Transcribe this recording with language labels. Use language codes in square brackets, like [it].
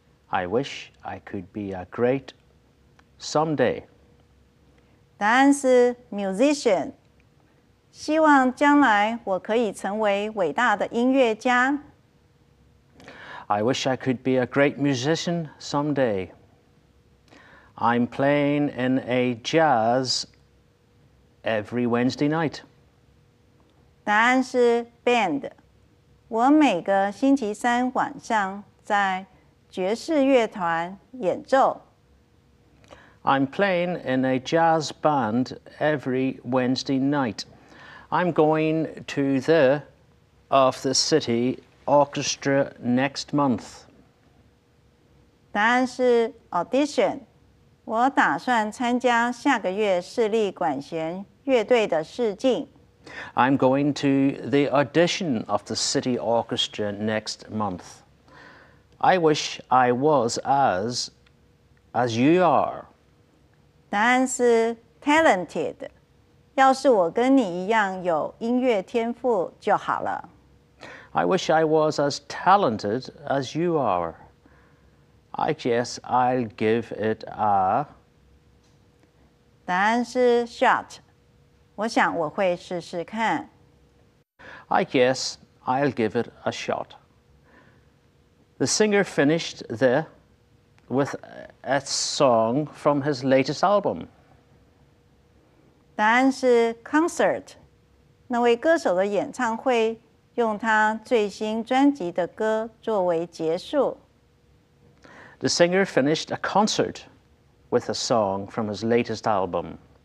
[en] I wish I could be a great someday. [zh] 答案是 musician. 希望将来我可以成为伟大的音乐家。 [en] I wish I could be a great musician someday. I'm playing in a jazz every Wednesday night. [zh] 答案是 band. 我每个星期三晚上在爵士乐团演奏。 [en] I'm playing in a jazz band every Wednesday night. I'm going to the of the city orchestra next month. [zh] 答案是 audition. 我打算参加下个月市立管弦乐队的试镜。 [en] I'm going to the audition of the city orchestra next month. I wish I was as you are. [zh] 答案是 talented. 要是我跟你一样有音乐天赋就好了。 [en] I wish I was as talented as you are. I guess I'll give it a... [zh] 答案是 shot. 我想我会试试看。 [en] I guess I'll give it a shot. The singer finished the... with a song from his latest album. [zh] 答案是 concert. 那位歌手的演唱会用他最新专辑的歌作为结束。 [en] The singer finished a concert with a song from his latest album.